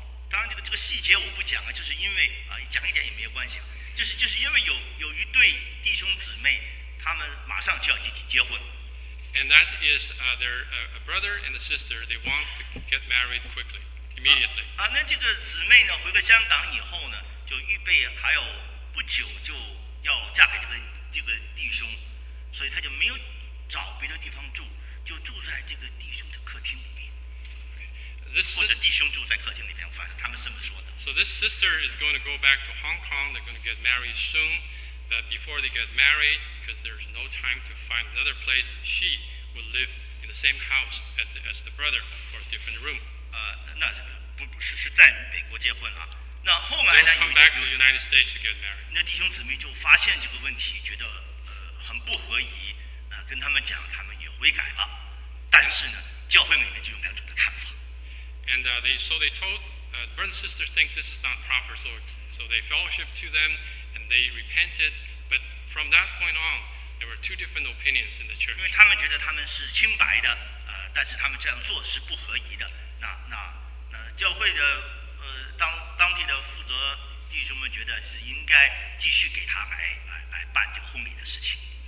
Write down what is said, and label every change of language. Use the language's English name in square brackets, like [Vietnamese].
[Chinese] 当然这个细节我不讲了，就是因为讲一点也没有关系。就是因为有一对弟兄姊妹，他们马上就要结婚。 [English] And that is their a brother and a sister. They want to get married quickly, immediately. [Chinese] 那这个姊妹呢，回到香港以后呢，就预备还有不久就要嫁给这个弟兄，所以他就没有找别的地方住，就住在这个弟兄的客厅里面。或者弟兄住在客厅里面，反正他们这么说的。 [English] So this sister is going to go back to Hong Kong. They're going to get married soon. But before they get married, because there's no time to find another place, she will live in the same house as the brother, of course, different room. [Chinese] 那这个不是在美国结婚啊？那后来呢？ [English] Come back to the United States to get married. [Chinese] 那弟兄姊妹就发现这个问题，觉得很不合宜。跟他们讲，他们也悔改了，但是呢，教会里面就有两种的看法。 [English] And they told brothers and sisters think this is not proper, so they fellowship to them and they repented. But from that point on, there were two different opinions in the church. [Chinese] 因为他们觉得他们是清白的，但是他们这样做是不合宜的。那教会的当地的负责弟兄们觉得是应该继续给他来办这个婚礼的事情。